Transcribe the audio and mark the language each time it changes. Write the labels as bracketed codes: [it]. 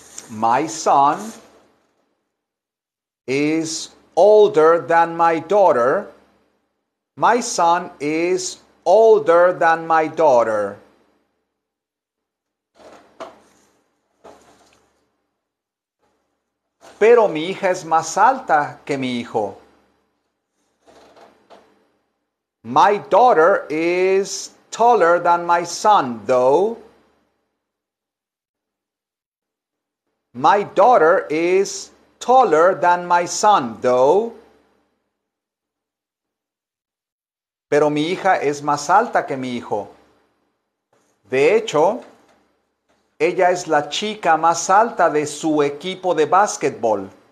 [en] My son is older than my daughter. My son is older than my daughter. [es] Pero mi hija es más alta que mi hijo. [en] My daughter is taller than my son, though. My daughter is taller than my son, though. [es] Pero mi hija es más alta que mi hijo. De hecho, ella es la chica más alta de su equipo de básquetbol.